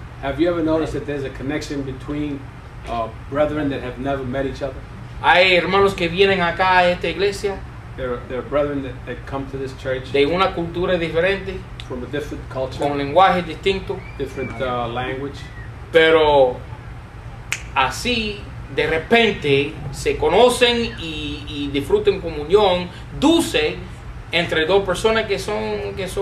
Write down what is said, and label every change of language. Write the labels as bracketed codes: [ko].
[en] Have you ever noticed that there's a connection between brethren that have never met each other? [es] Hay hermanos que vienen acá a esta iglesia. [en] There are brethren that come to this church. [es] De una cultura diferente. [en] From a different culture. [es] Con lenguaje distinto. [en] Different language. [es] Pero así de repente se conocen y disfruten comunión dulce entre dos personas que son.